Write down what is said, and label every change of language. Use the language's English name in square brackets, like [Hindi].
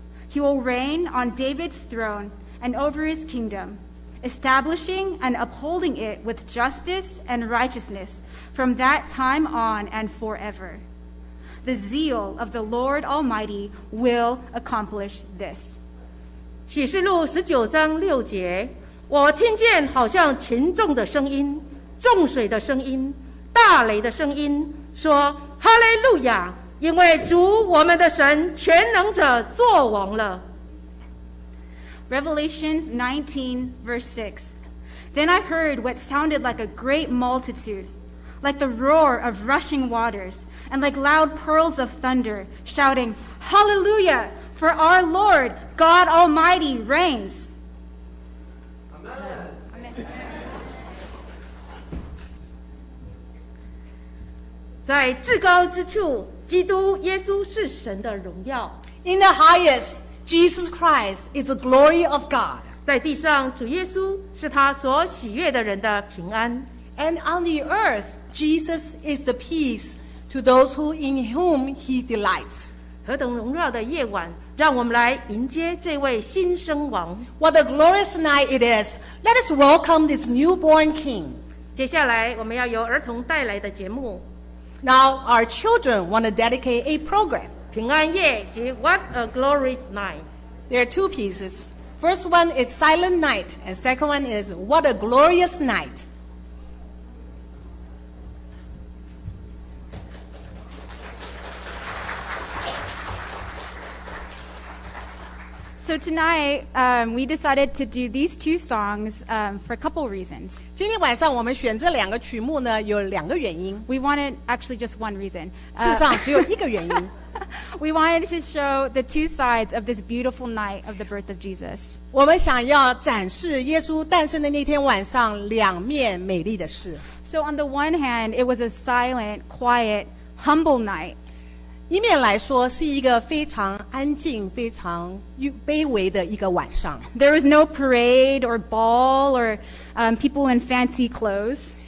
[English] He will reign on David's throne and over his kingdom, establishing and upholding it with justice and righteousness from that time on and forever. The zeal of the Lord Almighty will accomplish this. [Chinese] 启示录十九章六节，我听见好像群众的声音，众水的声音，大雷的声音，说哈利路亚，因为主我们的神全能者作王了。 [English] Revelation 19:6 Then I heard what sounded like a great multitude, like the roar of rushing waters, and like loud peals of thunder, shouting, Hallelujah, for our Lord God Almighty reigns. Amen. [Chinese] 在至高之处，基督耶稣是神的荣耀。 [English] In the highest, Jesus Christ is the glory of God. [Chinese] 在地上，主耶稣是他所喜悦的人的平安。 [English] And on the earth, Jesus is the peace to those who in whom he delights. [Chinese] 何等荣耀的夜晚，让我们来迎接这位新生王。 [English] What a glorious night it is! Let us welcome this newborn king. [Chinese] 接下来我们要由儿童带来的节目。 [English] Now our children want to dedicate a program. [Chinese] 平安夜及 What a Glorious Night. [English] There are two pieces. First one is Silent Night, and second one is What a Glorious Night. So tonight, we decided to do these two songs for a couple reasons. [Chinese] 今天晚上我们选这两个曲目呢，有两个原因。 [English] We wanted actually just one reason. [Chinese] 事实上只有一个原因。 [English] We wanted to show the two sides of this beautiful night of the birth of Jesus. [Chinese] 我们想要展示耶稣诞生的那天晚上两面美丽的事。 [English] So on the one hand, it was a silent, quiet, humble night. [Chinese] 一面来说是一个非常安静非常卑微的一个晚上。 [English] There was no parade or ball or people in fancy clothes.